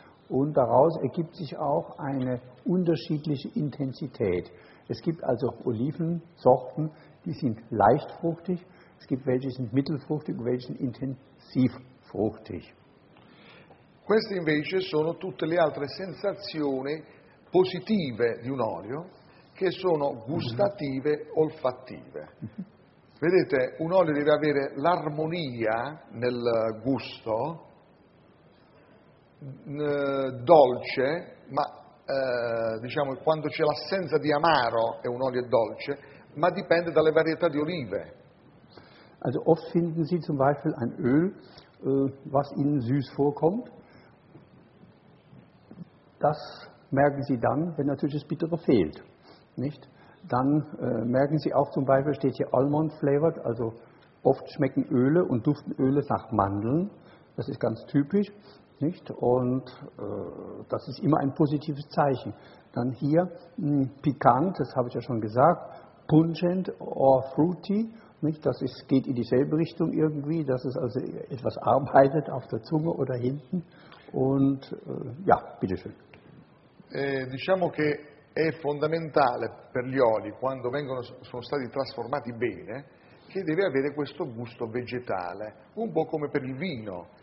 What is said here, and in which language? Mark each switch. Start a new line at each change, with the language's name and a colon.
German: Und daraus ergibt sich auch eine unterschiedliche Intensität. Es gibt also Olivensorten, die sind leicht fruchtig, es gibt welche, die sind mittelfruchtig, welche sind intensiv fruchtig.
Italian: Queste invece sono tutte le altre sensazioni positive di un olio, che sono gustative, olfattive. Vedete, un olio deve avere l'armonia nel gusto, dolce, ma diciamo quando c'è l'assenza di amaro è un olio dolce, ma dipende dalle varietà di olive.
German: Also oft finden Sie zum Beispiel ein Öl, was Ihnen süß vorkommt. Das merken Sie dann, wenn natürlich das Bittere fehlt. Nicht? Dann merken Sie auch zum Beispiel, steht hier
English: Almond Flavored,
German: also oft schmecken Öle und duften Öle nach Mandeln. Das ist ganz typisch. Nicht? Und das ist immer ein positives Zeichen. Dann hier pikant, das habe ich ja schon gesagt,
English: pungent or fruity,
German: nicht? Das ist, geht in dieselbe Richtung irgendwie, dass es also etwas arbeitet auf der Zunge oder hinten. Und ja, bitteschön.
Italian: Diciamo che è fondamentale per gli oli, quando vengono, sono stati trasformati bene, che deve avere questo gusto vegetale, un po' come per il vino.